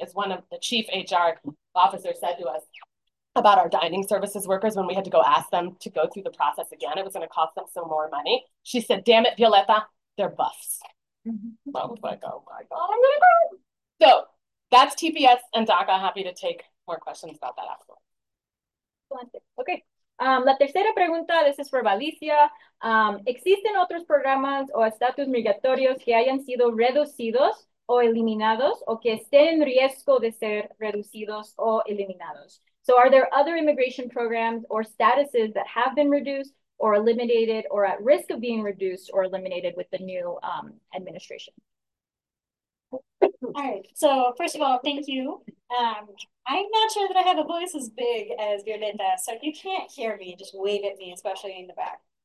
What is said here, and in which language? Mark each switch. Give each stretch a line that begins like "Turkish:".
English: As one of the chief HR officers said to us about our dining services workers when we had to go ask them to go through the process again, it was gonna cost them some more money. She said, damn it, Violeta, they're buffs. Oh my God, I'm gonna go. So that's TPS and DACA. Happy to take more questions about that afterwards.
Spanish: Okay, la tercera pregunta,
English: this is for Valicia.
Spanish: ¿Existen otros programas o estatus migratorios que hayan sido reducidos o eliminados, o que estén en riesgo de ser reducidos o eliminados?
English: So are there other immigration programs or statuses that have been reduced or eliminated or at risk of being reduced or eliminated with the new administration? All right, so first of all, thank you. I'm not sure that I have a voice as big as Violeta, so if you can't hear me, just wave at me, especially in the back.